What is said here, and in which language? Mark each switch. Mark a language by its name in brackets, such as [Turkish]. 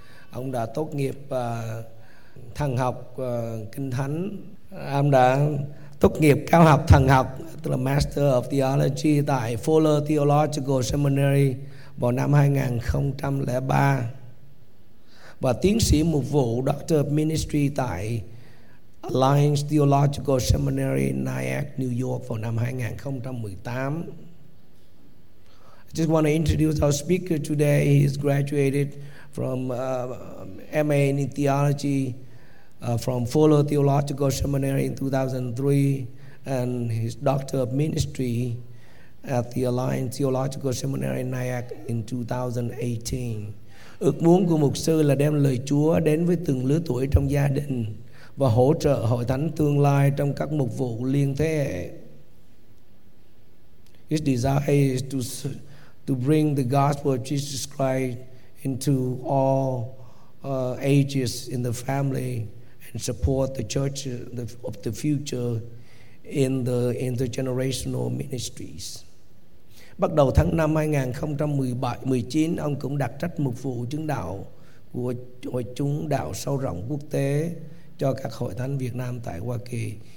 [Vietnamese] Ông đã tốt nghiệp thần học kinh thánh, ông đã tốt nghiệp cao học thần học tức là Master of Theology tại Fuller Theological Seminary vào năm 2003 và tiến sĩ mục vụ Doctor of Ministry tại Alliance Theological Seminary, Nyack, New York vào năm 2018. [English] I just want to introduce our speaker today. He is graduated from MA in Theology from Fuller Theological Seminary in 2003 and his Doctor of Ministry at the Alliance Theological Seminary in Nyack in 2018. [Vietnamese] Ước muốn của mục sư là đem lời Chúa đến với từng lứa tuổi trong gia đình và hỗ trợ hội thánh tương lai trong các mục vụ liên thế hệ. [English] His desire is to bring the gospel of Jesus Christ into all ages in the family and support the church of the future in the intergenerational ministries. [Vietnamese] Bắt đầu tháng 5 2019, ông cũng đặc trách mục vụ chứng đạo của hội chúng đạo sâu rộng quốc tế cho các hội thánh Việt Nam tại Hoa Kỳ.